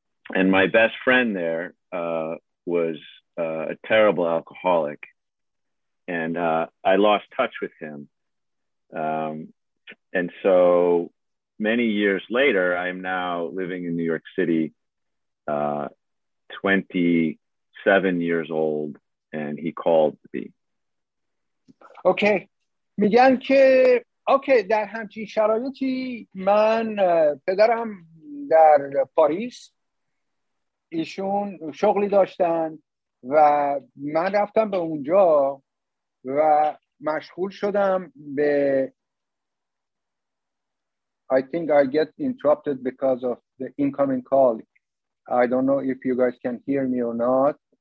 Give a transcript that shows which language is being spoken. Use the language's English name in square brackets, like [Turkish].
[English] And my best friend there was a terrible alcoholic, and I lost touch with him. And so many years later, I'm now living in New York City, 27 years old, and he called me. Okay. [Persian] میگن که اوکی در همچین شرایطی من پدرم در پاریس ایشون شغلی داشتن و من رفتم به اونجا و مشغول شدم به [English] I think I get interrupted because of the incoming call. I don't know if you guys can hear me or not.